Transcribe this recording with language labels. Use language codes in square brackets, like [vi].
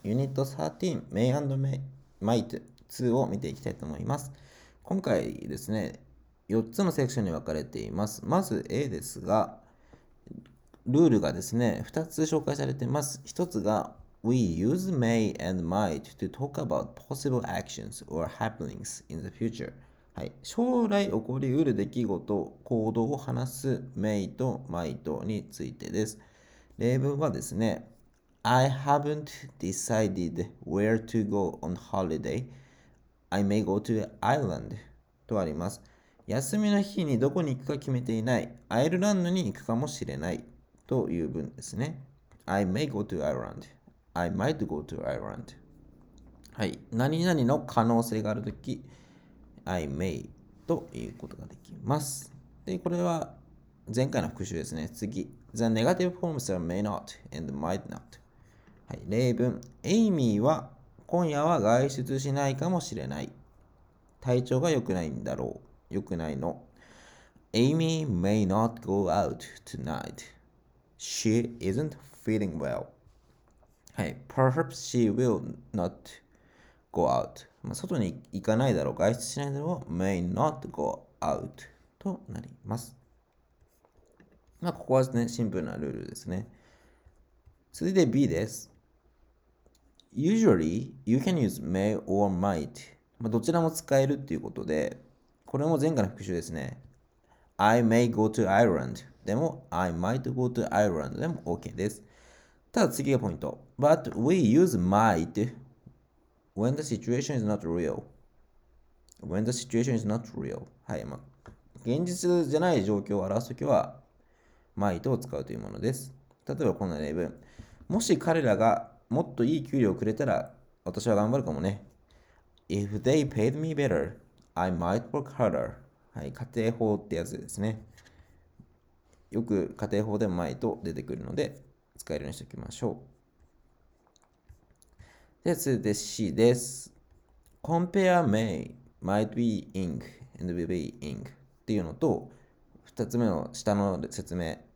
[ja] ユニット13、メイ&メイ、マイト2を見ていきたいと思います。今回ですね、4つのセクションに分かれています。まず A ですが、ルールがですね、2つ紹介されています。 1つが、 [en] We use may and might to talk about possible actions or happenings in the future。 [ja] はい、将来起こりうる出来事、行動を話す may と might についてです。例文はですね、 [en] I haven't decided where to go on holiday. I may go to Ireland [ja] とあります。休みの日にどこに行くか決めていない。アイルランドに行くかもしれないという文ですね。 [en] I may go to Ireland. I might go to Ireland. [ja] はい、何々の可能性があるとき、I may ということができます。で、これは前回の復習ですね。次。 [en] The negative forms are may not and might not。 [ja] はい、例文。エイミーは今夜は外出しないかもしれない。体調が良くないんだろう。良くないの。 [en] Amy may not go out tonight. She isn't feeling well. はい。 Perhaps she will not go out. [ja] まあ、外に行かないだろう、外出しないだろう、 [en] may not go out [ja] となります。まあ、ここはですね、シンプルなルールですね。続いて B です。 [en] Usually, you can use may or might。 [ja] まあ、どちらも使えるっていうことで、これも前回の復習ですね。 [en] I may go to Ireland [ja] でも、 [en] I might go to Ireland [ja] でも OK です。ただ次がポイント。 [en] But we use might when the situation is not real. When the situation is not real. はい。 [ja] まあ、現実じゃない状況を表すときは、might を使うというものです。例えばこんな例文。もし彼らがもっといい給料をくれたら、私は頑張るかもね。 [en] If they paid me better, I might work harder. [ja] はい。仮定法ってやつですね。よく仮定法で might 出てくるので、使えるようにしておきましょう。で、続いて C です。 [en] Compare may, might be ing, [ja] and will be ing っていうのと、二つ目の下の説明。